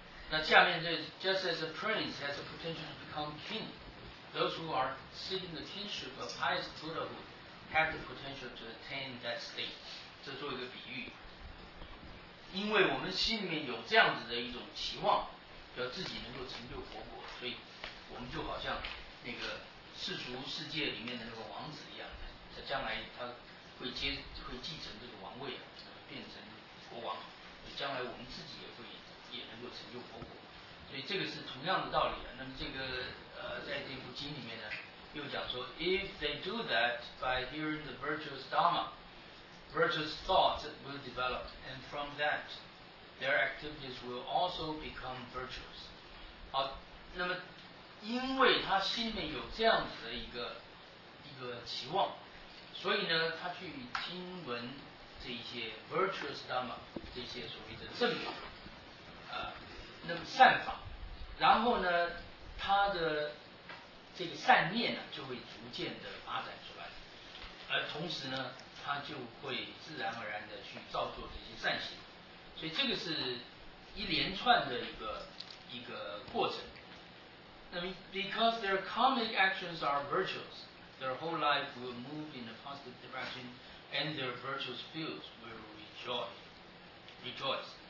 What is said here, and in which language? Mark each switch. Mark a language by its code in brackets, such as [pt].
[zh] 那下面这 [en] just as a prince has a potential to become king， those who are seeking the kingship of highest Buddhahood have the potential to attain that state。 [zh] 这做一个比喻，因为我们心里面有这样子的一种期望，要自己能够成就佛果，所以我们就好像那个世俗世界里面的那个王子一样，他将来他会继承这个王位啊，变成国王，将来我们自己也能够成就佛果，所以这个是同样的道理啊。那么这个在这部经里面呢，又讲说 [en] ，If they do that by hearing the virtuous dharma, virtuous thoughts will develop, and from that, their activities will also become virtuous。 [zh] 好，那么。因为他心里面有这样子的一个期望，所以呢，他去听闻这一些 [en] virtuous dharma [zh] 这些所谓的正法，那么善法，然后呢，他的这个善念呢就会逐渐的发展出来，而同时呢，他就会自然而然的去造作这些善行，所以这个是一连串的一个过程。 [en] I mean, because their karmic actions are virtuous, their whole life will move in a positive direction, and their virtuous fields will rejoice.